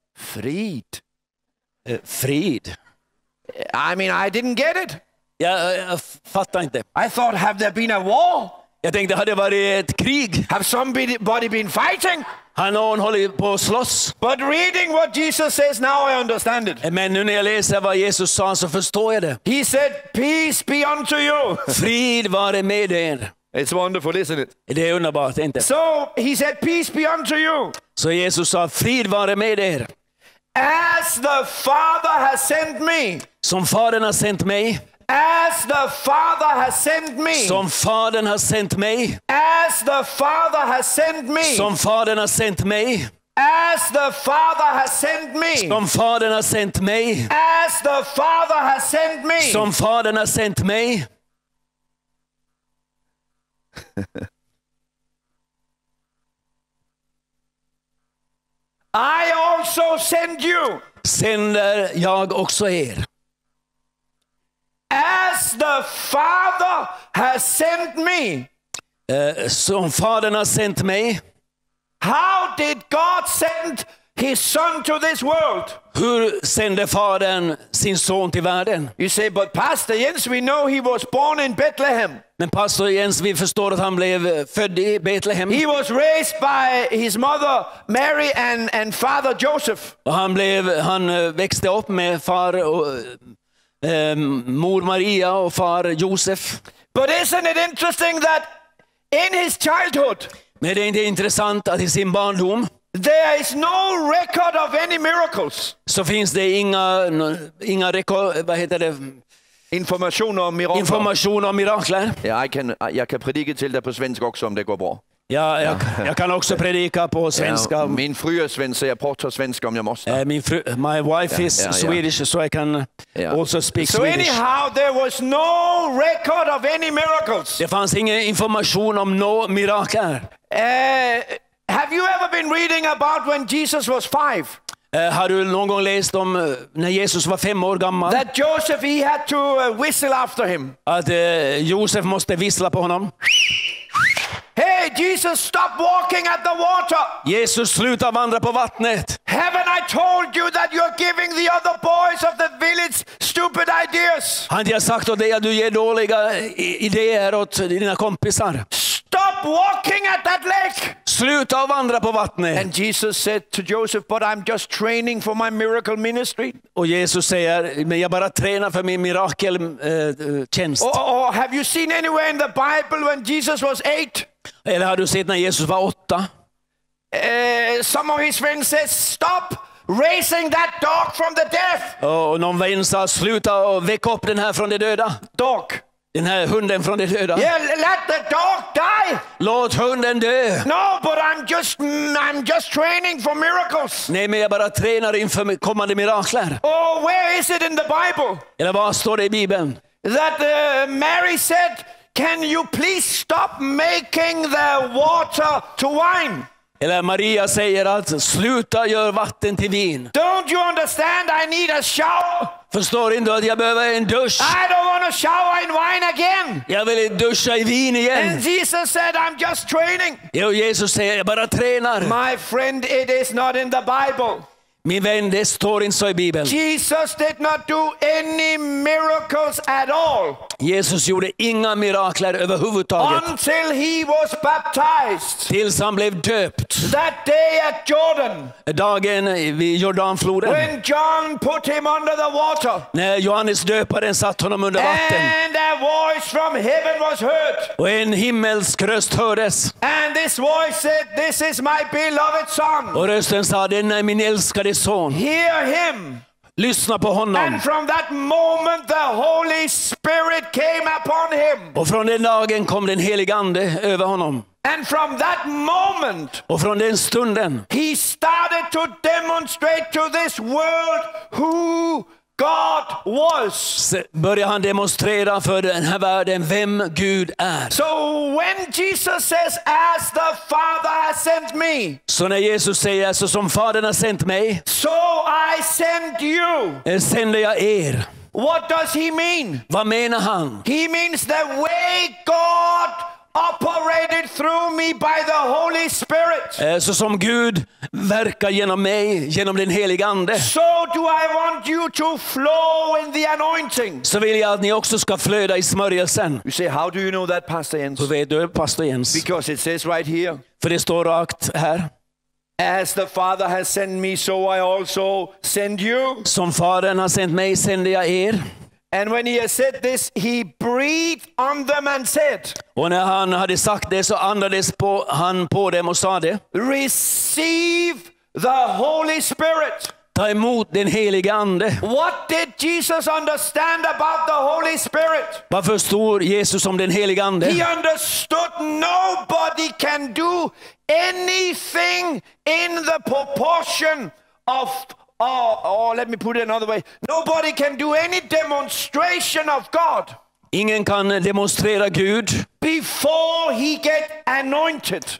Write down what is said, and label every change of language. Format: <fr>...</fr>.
<sv>Frid. Frid.</sv> <en>I mean, I didn't get it.</en> <sv>Jag fattar inte.</sv> <en>I thought, have there been a war?</en> <sv>Jag tänkte, har det varit ett krig?</sv> <en>Have somebody been fighting?</en> <sv>Har någon hållit på att slåss?</sv> <en>But reading what Jesus says now, I understand it.</en> <sv>Men nu när jag läser vad Jesus sa så förstår jag det.</sv> <en>He said, peace be unto you.</en> <sv>Frid vare med er.</sv> <en>It's wonderful, isn't it?</en> <sv>Det är underbart, inte?</sv> <en>So he said, peace be unto you.</en> <sv>Så Jesus sa, frid vare med er.</sv> <en>As the Father has sent me.</en> <sv>Som Fadern har sent mig.</sv> <en>As the Father has sent me.</en> <sv>Som Fadern har sent mig.</sv> <en>As the Father has sent me.</en> <sv>Som Fadern har sent mig.</sv> <en>As the Father has sent me.</en> <sv>Som Fadern har sent mig.</sv> <en>As the Father has sent me.</en> <sv>Som Fadern har sent mig.</sv> <en>I also send you.</en> <sv>Sänder jag också er.</sv> <en>As the Father has sent me.</en> <sv>Som Fadern har sent mig.</sv> <en>How did God send his son to this world?</en> <sv>Hur sände Fadern sin son till världen?</sv> <en>You say, but Pastor Jens, we know he was born in Bethlehem.</en> <sv>Men Pastor Jens, vi förstår att han blev född i Bethlehem.</sv> <en>He was raised by his mother Mary and father Joseph.</en> <sv>Och han växte upp med far mor Maria och far Josef.</sv> <en>But isn't it interesting that in his childhood?</en> <sv>Men det är inte intressant att i sin barndom.</sv> <en>There is no record of any miracles.</en> <sv>Så finns det inga rekord, vad heter det? Information om mirakler. Information om mirakler. Ja, jag kan predika till det på svenska också om det går bra. Ja, jag kan också predika på svenska. Ja, min fru är svensk, så jag pratar svenska om jag måste.</sv> <en>My wife is Swedish, so I can also speak so Swedish. So anyhow, there was no record of any miracles.</en> <sv>Det fanns ingen information om några mirakler.</sv> <en>Have you ever been reading about when Jesus was 5?</en> <sv>Har du någon gång läst om när Jesus var 5 år gammal?</sv> <en>That Joseph, he had to whistle after him.</en> <sv>Att Josef måste vissla på honom.</sv> <en>Hey Jesus, stop walking at the water.</en> <sv>Jesus, sluta vandra på vattnet.</sv> <en>Haven't I told you that you're giving the other boys of the village stupid ideas?</en> <sv>Har jag sagt åt dig att du ger dåliga idéer åt dina kompisar?</sv> <en>Stop walking at that lake.</en> <sv>Sluta vandra på vattnet.</sv> <en>And Jesus said to Joseph, but I'm just training for my miracle ministry.</en> <sv>Och Jesus säger, men jag bara tränar för min mirakeltjänst.</sv> <en>Or have you seen anywhere in the Bible when Jesus was 8?</en> <sv>Eller har du sett när Jesus var 8?</sv> <en>Some of his friends said, stop raising that dog from the death.</en> <sv>Och någon vän sa, sluta och väck upp den här från de döda.</sv> <en>Dog.</en> <sv>Den här hunden från de döda.</sv> <en>Yeah, let the dog die.</en> <sv>Låt hunden dö.</sv> <en>No, but I'm just training for miracles.</en> <sv>Nej, men jag bara tränar inför kommande mirakler.</sv> <en>Oh, where is it in the Bible?</en> <sv>Eller var står det i Bibeln?</sv> <en>That Mary said, can you please stop making the water to wine?</en> <sv>Eller Maria säger att sluta gör vatten till vin.</sv> <en>Don't you understand? I need a shower.</en> <sv>Förstår inte att jag behöver en dusch.</sv> <en>I don't want to shower in wine again.</en> <sv>Jag vill inte duscha i vin igen.</sv> <en>And Jesus said, I'm just training.</en> <sv>Och Jesus säger, jag bara tränar.</sv> <en>My friend, it is not in the Bible.</en> <sv>Min vän, det står inte så i Bibeln.</sv> <en>Jesus did not do any miracles at all.</en> <sv>Jesus gjorde inga mirakler överhuvudtaget.</sv> <en>Until he was baptized.</en> <sv>Tills han blev döpt.</sv> <en>That day at Jordan.</en> <sv>Dagen vid Jordanfloden.</sv> <en>When John put him under the water.</en> <sv>När Johannes döparen satt honom under vatten.</sv> <en>And a voice from heaven was heard.</en> <sv>Och en himmelsk röst hördes.</sv> <en>And this voice said, this is my beloved son.</en> <sv>Och rösten sa, denna är min älskade.</sv> <en>Hear him.</en> <sv>Lyssna på honom.</sv> <en>And from that moment the Holy Spirit came upon him.</en> <sv>Och från den dagen kom den helige ande över honom.</sv> <en>And from that moment.</en> <sv>Och från den stunden.</sv> <en>He started to demonstrate to this world who God was.</en> <sv>Börjar han demonstrera för den här världen vem Gud är.</sv> <en>So when Jesus says, as the Father has sent me.</en> <sv>Så när Jesus säger, så som Fadern har sent mig.</sv> <en>So I send you.</en> <sv>Sänder jag er.</sv> <en>What does he mean?</en> <sv>Vad menar han?</sv> <en>He means the way God operated through me by the Holy Spirit.</en> <sv>Så som Gud verkar genom mig, genom den helige ande.</sv> <en>So do I want you to flow in the anointing.</en> <sv>Så vill jag att ni också ska flöda i smörjelsen.</sv> <en>You say, how do you know that, Pastor Jens?</en> <sv>Hur vet du, Pastor Jens?</sv> <en>Because it says right here.</en> <sv>För det står rakt här.</sv> <en>As the Father has sent me, so I also send you.</en> <sv>Som fadern har sent mig, sänder jag er.</sv> <en>And when he had said this, he breathed on them and said.</en> <sv>Och när han hade sagt det så andades på han på dem och sa det.</sv> <en>Receive the Holy Spirit.</en> <sv>Ta emot den helige ande.</sv> <en>What did Jesus understand about the Holy Spirit?</en> <sv>Vad förstod Jesus om den helige ande?</sv> <en>He understood nobody can do anything in the proportion of. Oh, let me put it another way. Nobody can do any demonstration of God.</en> <sv>Ingen kan demonstrera Gud.</sv> <en>Before he get anointed.</en>